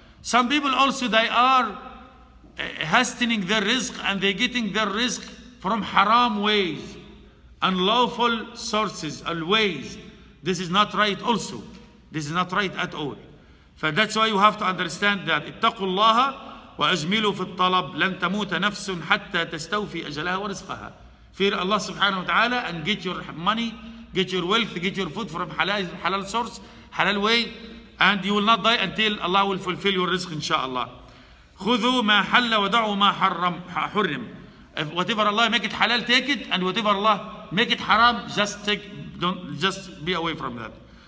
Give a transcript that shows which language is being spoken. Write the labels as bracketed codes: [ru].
[en] Some people also, they are hastening their rizq and they're getting their rizq from haram ways, unlawful sources, and ways. This is not right also. This is not right at all. So that's why you have to understand that. [ar] اتقوا الله وأجملوا في الطلب لن تموت نفس حتى تستوفي أجلها ورزقها. [en] Fear Allah subhanahu wa ta'ala and get your money, get your wealth, get your food from halal source, halal way, and you will not die until Allah will fulfill your rizq, inshallah. [ar] خذوا ما حل ودعوا ما حرم. [en] If whatever Allah make it halal, take it, and whatever Allah make it haram, just be away from that.